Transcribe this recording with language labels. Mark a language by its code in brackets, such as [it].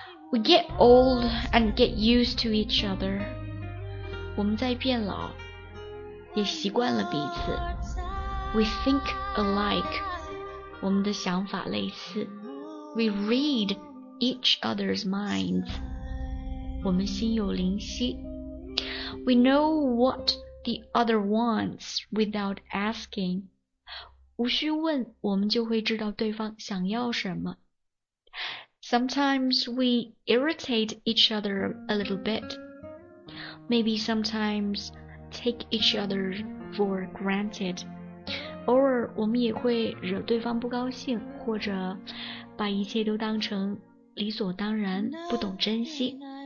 [en] We get old and get used to each other. [zh] 我们在变老，也习惯了彼此。 [en] We think alike. [zh] 我们的想法类似。 [en] We read each other's minds. [zh] 我们心有灵犀。 [en] We know what the other wants without asking. [zh] 无需问，我们就会知道对方想要什么。 [en] Sometimes we irritate each other a little bit. Maybe sometimes take each other for granted. [zh] 偶尔我们也会惹对方不高兴，或者把一切都当成理所当然，不懂珍惜。